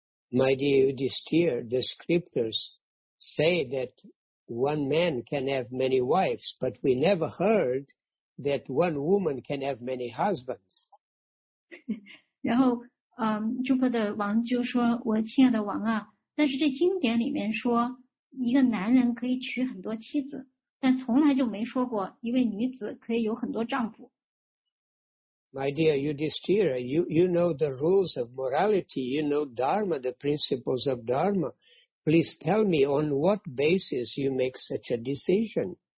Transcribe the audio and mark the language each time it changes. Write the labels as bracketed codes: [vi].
[en] My dear Yudhishthira, the scriptures say that one man can have many wives, but we never heard that one woman can have many husbands. [zh] 然后朱伯特王就说，我亲爱的王啊，但是这经典里面说，一个男人可以娶很多妻子，但从来就没说过一位女子可以有很多丈夫。My [en] dear Yudhishthira, you know the rules of morality, you know Dharma, the principles of Dharma. Please tell me on what basis you make such a decision.